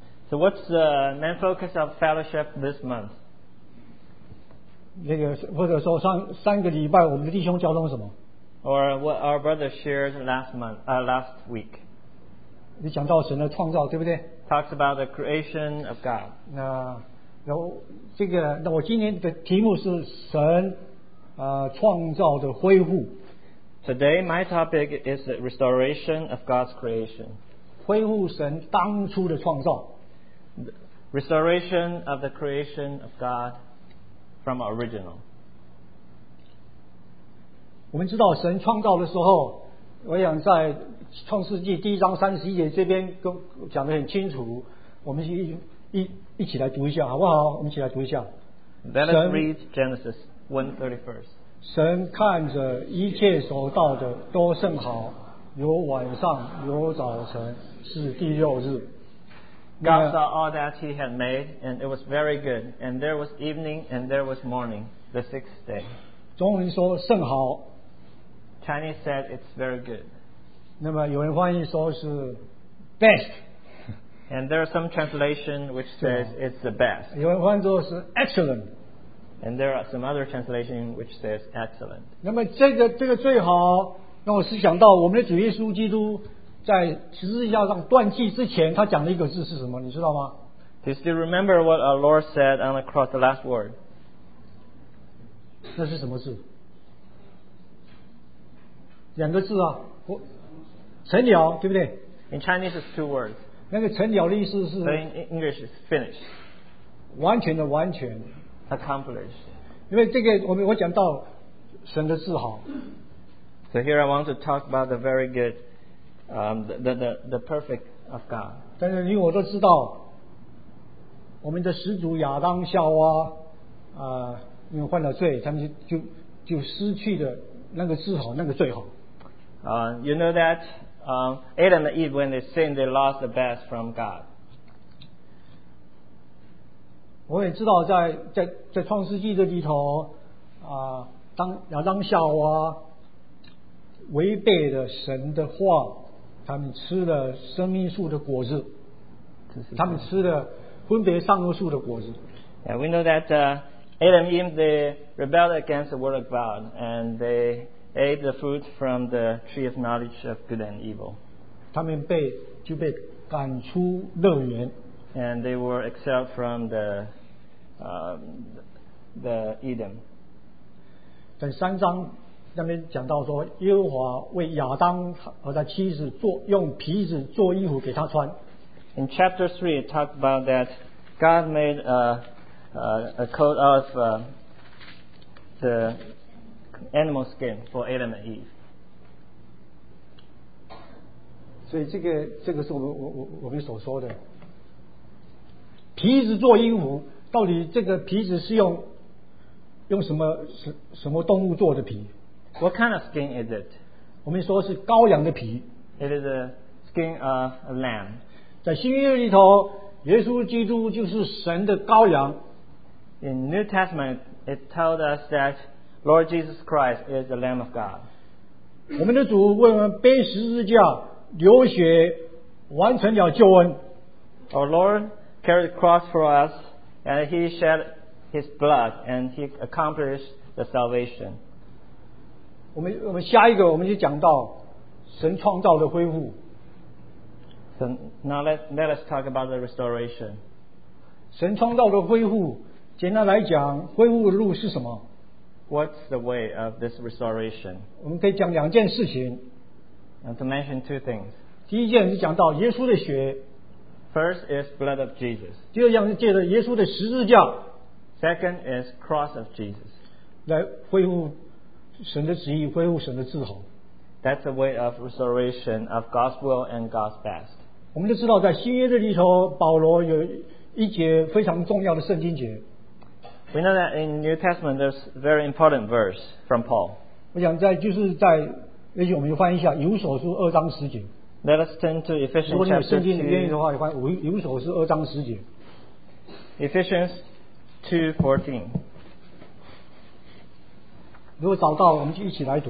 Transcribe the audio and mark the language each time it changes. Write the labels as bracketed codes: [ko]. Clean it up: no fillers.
[en] So what's the main focus of fellowship this month? [zh] 那个或者说三个礼拜我们的弟兄交通什么？ [en] Or what our brother shared last week. [zh] 你讲到神的创造，对不对？ [en] Talks about the creation of God. [zh] 那我今天的题目是神创造的恢复。 [en] Today my topic is the restoration of God's creation. [zh] 恢复神当初的创造。 [en] Restoration of the creation of God from our original. [zh] 我们知道神创造的时候，我想在创世纪第一章三十一节这边讲得很清楚，我们一起来读一下好不好？我们一起来读一下。 [en] Let us read Genesis 1:31. [zh] 神看着一切所造的都甚好，有晚上有早晨，是第六日。 [en] God saw all that he had made, and it was very good. And there was evening, and there was morning, the sixth day. [zh] 中文说甚好。 [en] Chinese said it's very good. [zh] 那么有人翻译说是 best. [en] And there are some translation which says it's the best. [zh] 有人翻译说是 excellent. [en] And there are some other translation which says excellent. [zh] 那么这个最好让我思想到我们的主耶稣基督。在十字架上断气之前，他讲的一个字是什么？你知道吗 [en] ？Do you still remember what our Lord said on the cross, the last word? [zh] 那是什么字？两个字啊，成了，对不对 [en] ？In Chinese, it's two words. [zh] 那个成了的意思是 [en] ？In English, it's finished. [zh] 完全的，完全。 [en] Accomplished. [zh] 因为这个，我讲到神的自豪。 [en] So here I want to talk about the very good. The perfect of God. [zh] 但是你我都知道，我们的始祖亚当夏娃因为犯了罪，他们就失去了那个自豪，那个最好。 [en] You know that Adam and Eve when they sinned, they lost the best from God. [zh] 我也知道在创世纪的里头当亚当夏娃违背了神的话。他们吃了生命树的果子，他们吃了分别善恶树的果子。 [en] Yeah, we know that Adam and Eve they rebelled against the word of God and they ate the fruit from the tree of knowledge of good and evil. [zh] 他们就被赶出乐园。 [en] And they were expelled from the Eden. [zh] 在三章。那边讲到说，耶和华为亚当和他妻子做用皮子做衣服给他穿。 [en] In chapter 3, it talks about that God made a coat of the animal skin for Adam and Eve. [zh] 所以这个是我们所说的皮子做鹦鹉，到底这个皮子是用什么动物做的皮？ [en] What kind of skin is it? [zh] 我们说是羔羊的皮。 [en] It is a skin of a lamb. [zh] 在新约里头，耶稣基督就是神的羔羊。 [en] In New Testament, it tells us that Lord Jesus Christ is the Lamb of God. [zh] 我们的主为我们背十字架流血，完成了救恩。 [en] Our Lord carried the cross for us, and he shed his blood, and he accomplished the salvation. [zh] 我们下一个我们就讲到神创造的恢复。 [en] So now let us talk about the restoration. [zh] 神创造的恢复，简单来讲，恢复的路是什么？ [en] What's the way of this restoration? [zh] 我们可以讲两件事情。 [en] And to mention two things. [zh] 第一件是讲到耶稣的血。 [en] First is blood of Jesus. [zh] 第二件是借着耶稣的十字架。 [en] Second is cross of Jesus. [zh] 来恢复神的旨意，恢复神的治好。 [en] That's the way of restoration of God's will and God's best. [zh] 我们就知道在新约的里头，保罗有一节非常重要的圣经节。 [en] We know that in New Testament there's very important verse from Paul. [zh] 我想在就是在也许我们翻一下《以弗所书》二章十节。 [en] Let us turn to Ephesians chapter 2. [zh] 如果你有圣经愿意的话，你翻《以弗所书》二章十节。 [en] Ephesians 2:14. [zh] 如果找到，我们就一起来读。